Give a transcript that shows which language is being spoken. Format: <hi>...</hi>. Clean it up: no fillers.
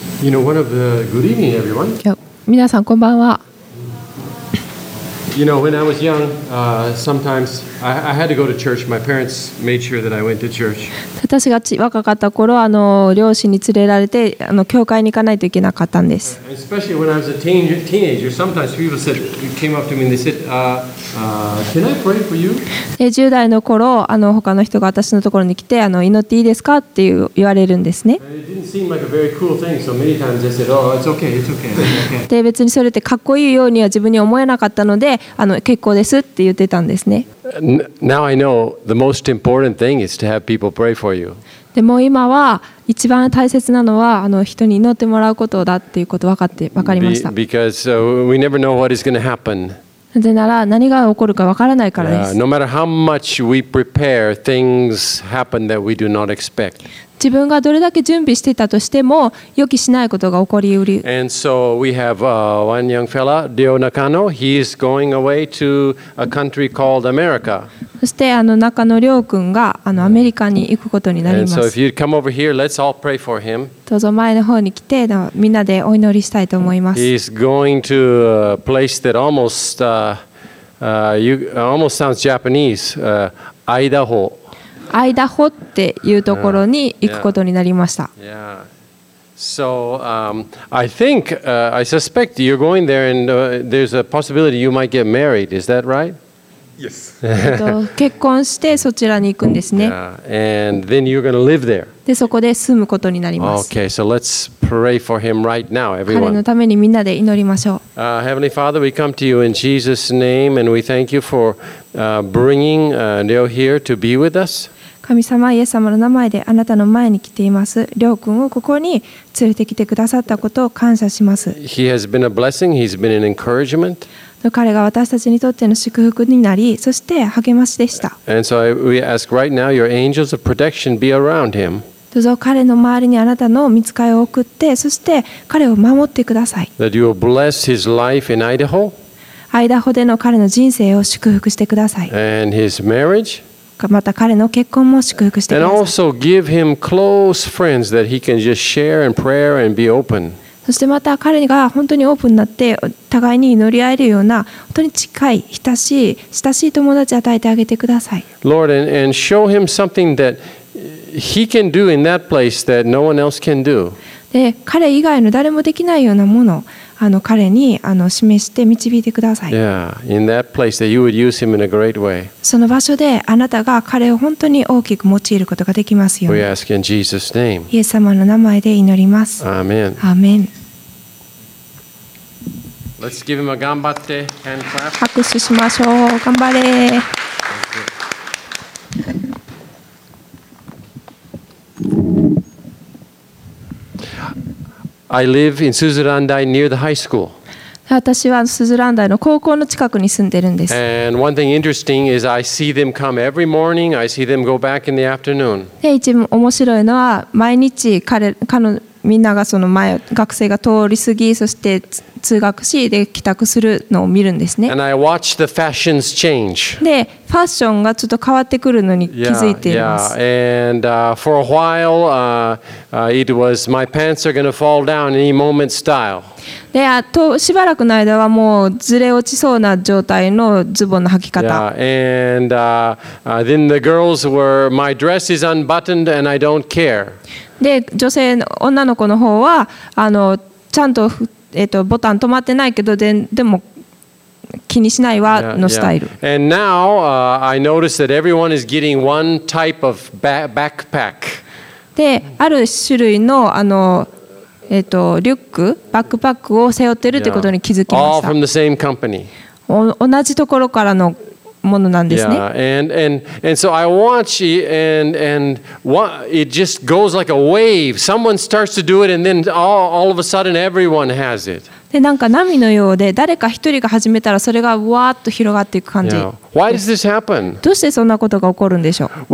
<en>You know, one of the good evening, everyone.</en> <ja>皆さんこんばんは。</ja> <en>You know, when I was young, sometimes I had to go to church. My parents made sure that I went to church.</en> <ja>私が若かった頃、両親に連れられて、教会に行かないといけなかったんです。</ja> <en>Especially when I was a teenager, sometimes people said, came up to me and they said, can I pray for you?</en> <ja>10代の頃、他の人が私のところに来て、祈っていいですかって言われるんですね。</ja> <en>It didn't seem like a very cool thing, so many times they said, oh, it's okay, it's okay, it's okay.</en> <ja>で、別にそれってかっこいいようには自分に思えなかったので、結構ですって言ってたんですね。</ja> <en>Now I know the most important thing is to have people pray for you.</en> <ja>でも今は一番大切なのは人に祈ってもらうことだっていうこと分かりました。</ja> <en>Because we never know what is going to happen.</en> <ja>でなら何が起こるか分からないからです。</ja> <en>No matter how much we prepare, things happen that we do not expect.</en> <ja>自分がどれだけ準備していたとしても予期しないことが起こりうる。</ja> <en>And so we have one young fella, Dio Nakano. He is going away to a country called America.</en> <ja>そして中野亮君がアメリカに行くことになります。</ja> <en>And so if you'd come over here, let's all pray for him.</en> <ja>どうぞ前の方に来てみんなでお祈りしたいと思います。</ja> <en>He's going to a place that almost almost sounds Japanese. Idaho.</en> <ja>アイダホっていうところに行くことになりました。</ja> <en>So, I think, I suspect you're going there and there's a possibility you might get married. Is that right? Yes.</en> <ja>結婚してそちらに行くんですね。</ja> <en>And then you're going to live there.</en> <ja>で、そこで住むことになります。</ja> <en>Okay, so let's pray for him right now, everyone.</en> <ja>彼のためにみんなで祈りましょう。</ja> <en>Heavenly Father, we come to you in Jesus' name and we thank you for bringing Leo here to be with us.</en> <ja>神様、イエス様の名前であなたの前に来ています。リョウ君をここに連れてきてくださったことを感謝します。</ja> <en>He has been a blessing. He's been an encouragement.</en> <ja>彼が私たちにとっての祝福になり、そして励ましでした。</ja> <en>And so we ask right now your angels of protection be around him.</en> <ja>どうぞ彼の周りにあなたの御使いを送って、そして彼を守ってください。</ja> <en>That you will bless his life in Idaho.</en> <ja>アイダホでの彼の人生を祝福してください。</ja> <en>And his marriage.</en> <ja>また彼の結婚も祝福してください。</ja> <en>And also give him close friends that he can just share in prayer and be open.</en> <ja>そしてまた彼が本当にオープンになって互いに祈り合えるような本当に近い親しい友達を与えてあげてください。</ja> <en>Lord, and show him something that he can do in that place that no one else can do.</en> <ja>で彼以外の誰もできないようなもの。彼に示して導いてください。</ja> <en>Yeah, in that place that you would use him in a great way.</en> <ja>その場所であなたが彼を本当に大きく用いることができますように。</ja> <en>We ask in Jesus' name.</en> <ja>イエス様の名前で祈ります。</ja> <en>Amen. Amen. Let's give him a</en> <ja>頑張って</ja> <en>hand clap.</en> <ja>拍手しましょう。頑張れ。</ja> <en>I live in Suzurandai near the high school.</en> <ja>私はスズランダイの高校の近くに住んでるんです。</ja> <en>And one thing interesting is I see them come every morning. I see them go back in the afternoon.</en> <ja>で、一番面白いのは毎日みんながその前学生が通り過ぎ、そして通学しで帰宅するのを見るんですね。</ja> <en>And I watch the fashions change.</en> <ja>で、ファッションがちょっと変わってくるのに気づいています。</ja> <en>Yeah, yeah. And for a while, it was my pants are going to fall down any moment style.</en> <ja>で、あとしばらくの間はもうずれ落ちそうな状態のズボンの履き方。</ja> <en>Yeah. And then the girls were my dress is unbuttoned and I don't care.</en> <ja>で女性の女の子の方はちゃんと、ボタン止まってないけど でも気にしないわのスタイル。</ja> <en>Yeah, yeah. And now, I noticed that everyone is getting one type of backpack.</en> <ja>である種類の、リュック、バックパックを背負ってるってことに気づきました。</ja> <en>All from the same company.</en> <ja>同じところからのものなんですね。</ja> <en>Yeah, and so I watch and what it just goes like a wave. Someone starts to do it and then all of a sudden everyone has it.</en> <ja>でなんか波のようで誰か一人が始めたらそれがわーっと広がっていく感じ。</ja> <en>Yeah. Why does this happen?</en> <ja>どうしてそんなことが起こるんでしょう。</ja>